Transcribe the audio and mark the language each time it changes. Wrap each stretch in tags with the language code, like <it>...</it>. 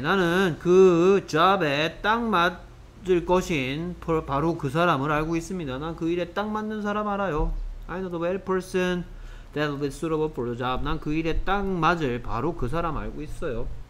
<ko>나는 그 잡에 딱 맞을 것인 바로 그 사람을 알고 있습니다. 난 그 일에 딱 맞는 사람 알아요.</ko> <en>I know the very person that will be suitable for the job.</en> <ko>난 그 일에 딱 맞을 바로 그 사람 알고 있어요.</ko>